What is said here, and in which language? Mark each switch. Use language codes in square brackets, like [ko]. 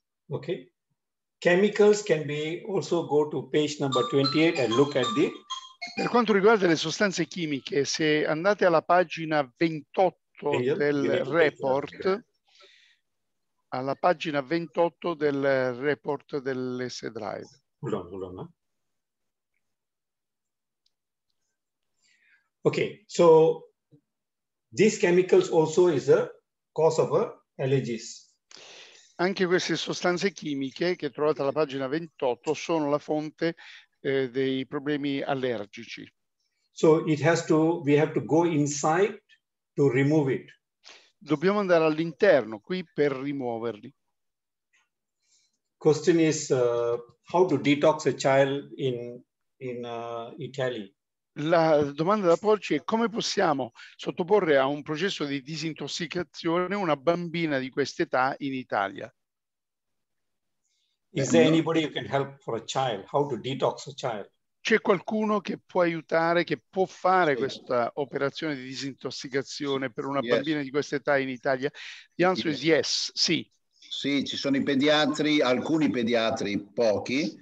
[en] Okay. Chemicals can be also go to page number 28 and look at it. [it] Per quanto riguarda le sostanze chimiche, se andate alla pagina 28 del report, alla pagina 28 del report dell'S-Drive. [en] Ok, so these chemicals also is a cause of allergies. [it] Anche queste sostanze chimiche che trovate alla pagina 28 sono la fonte dei problemi allergici. [en] So it has to, we have to go inside to remove it. [it] Dobbiamo andare all'interno qui per rimuoverli. [en] Question is how to detox a child in Italy. [it] La domanda da porci è come possiamo sottoporre a un processo di disintossicazione una bambina di quest'età in Italia. [en] Is there anybody who can help for a child? How to detox a child? [it] C'è qualcuno che può aiutare, che può fare questa operazione di disintossicazione per una bambina di questa età in Italia? [en] The answer is yes, [it] sì. Sì, ci sono i pediatri, alcuni pediatri, pochi.